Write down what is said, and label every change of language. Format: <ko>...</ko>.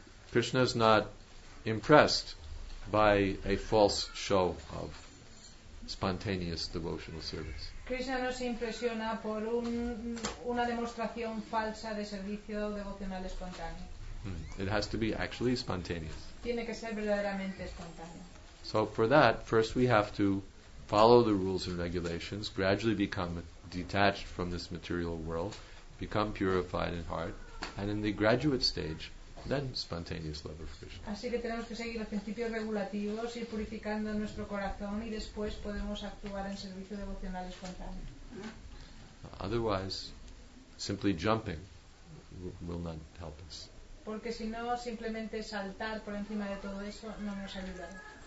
<en>Krishna is not impressed by a false show of spontaneous devotional service.</en> <es>Krishna nos impresiona por una demostración falsa de servicio devocional espontáneo.</es> <en>It has to be actually spontaneous.</en> <es>Tiene que ser verdaderamente espontáneo.</es> <en>So for that, first we have to follow the rules and regulations, gradually become detached from this material world, become purified in heart, and in the graduate stage, then spontaneous love of Krishna.</en> <es>Así que tenemos que seguir los principios regulativos, ir purificando nuestro corazón, y después podemos actuar en servicio devocional espontáneo.</es> <en>Otherwise, simply jumping will not help us.</en> <es>Porque si no, simplemente saltar por encima de todo eso no nos ayudará.</es>